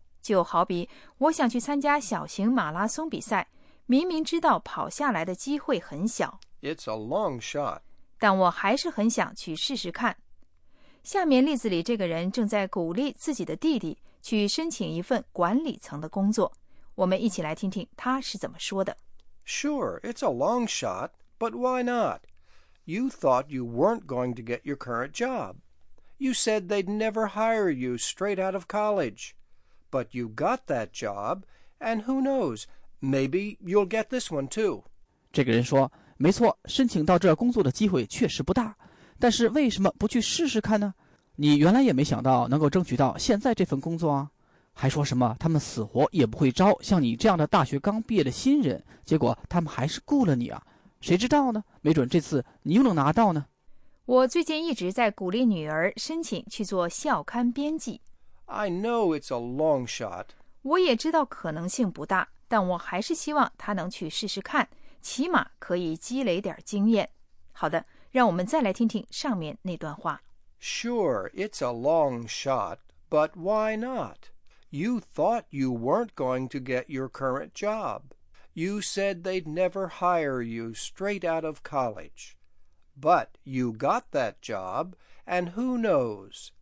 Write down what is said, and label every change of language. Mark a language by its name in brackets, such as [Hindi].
[Chinese] 就好比我想去参加小型马拉松比赛，明明知道跑下来的机会很小。 [English] It's a long shot. [Chinese] 但我还是很想去试试看。下面例子里这个人正在鼓励自己的弟弟去申请一份管理层的工作。我们一起来听听他是怎么说的。 [English] Sure, it's a long shot, but why not? You thought you weren't going to get your current job. You said they'd never hire you straight out of college. But you got that job, and who knows, maybe you'll get this one too. [Chinese] 这个人说，没错，申请到这工作的机会确实不大，但是为什么不去试试看呢？你原来也没想到能够争取到现在这份工作啊，还说什么他们死活也不会招像你这样的大学刚毕业的新人，结果他们还是雇了你啊，谁知道呢？没准这次你又能拿到呢。我最近一直在鼓励女儿申请去做校刊编辑。 [English] I know it's a long shot. [Chinese] 我也知道可能性不大，但我还是希望她能去试试看，起码可以积累点经验。好的，让我们再来听听上面那段话。 [English] Sure, it's a long shot, but why not? You thought you weren't going to get your current job. You said they'd never hire you straight out of college. But you got that job, and who knows?